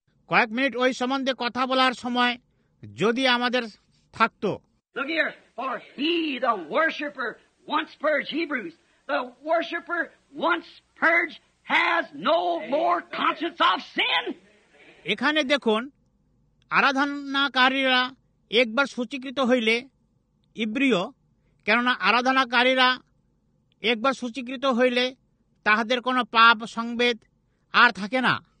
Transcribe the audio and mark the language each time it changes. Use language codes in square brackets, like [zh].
[bn] কয়েক মিনিট ওই সম্বন্ধে কথা বলার সময় যদি আমাদের থাকত। [en] Look here, for he, the worshipper, once purged Hebrews, the worshipper once purged has no more conscience of sin. [bn] এখানে দেখুন আরাধনাকারীরা একবার সূচীকৃত হইলে ইব্রীয় কেননা আরাধনাকারীরা একবার সূচীকৃত হইলে তাহাদের কোন পাপ সংবেদ আর থাকে না